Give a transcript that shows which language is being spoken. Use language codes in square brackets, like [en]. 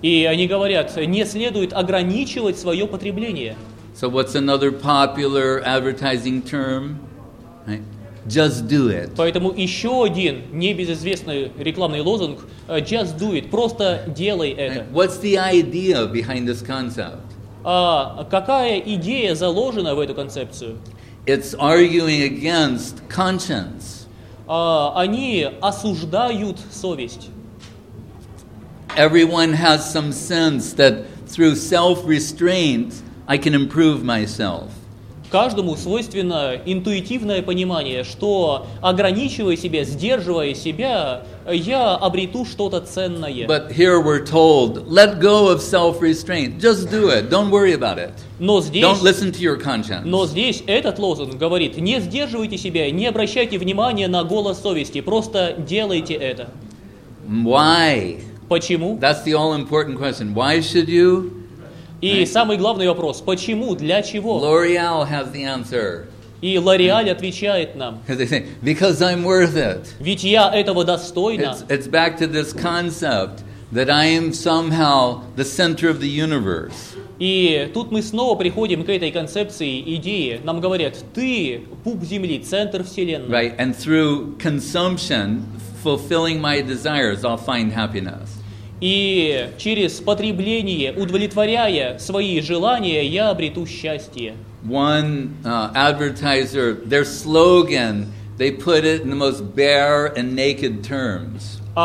[ru] И они говорят, не следует ограничивать свое потребление. [en] So what's another popular advertising term? Right. Just do it. [ru] Поэтому еще один небезызвестный рекламный лозунг [en] just do it. [ru] Просто делай это. [en] Right. What's the idea behind this concept? [ru] Какая идея заложена в эту концепцию? [en] It's arguing against conscience. [ru] Они осуждают совесть. [en] Everyone has some sense that through self-restraint I can improve myself. [ru] Каждому свойственно интуитивное понимание, что ограничивая себя, сдерживая себя, я обрету что-то ценное. [en] But here we're told, let go of self-restraint. Just do it. Don't worry about it. Don't listen to your conscience. [ru] Но здесь этот лозунг говорит, не сдерживайте себя, не обращайте внимания на голос совести, просто делайте это. [en] Why? [ru] Почему? [en] That's the all-important question. Why should you? [ru] И самый главный вопрос, почему, для чего? [en] L'Oreal has the answer. [ru] И L'Oreal отвечает нам. [en] Because I'm worth it. [ru] Ведь я этого достойна. [en] It's back to this concept that I am somehow the center of the universe. [ru] И тут мы снова приходим к этой концепции, идее. Нам говорят, ты пуп Земли, центр Вселенной. [en] Right, and through consumption, fulfilling my desires, I'll find happiness. [ru] И через потребление, удовлетворяя свои желания, я обрету счастье. [en] One advertiser, their slogan, they put it in the most bare and naked terms.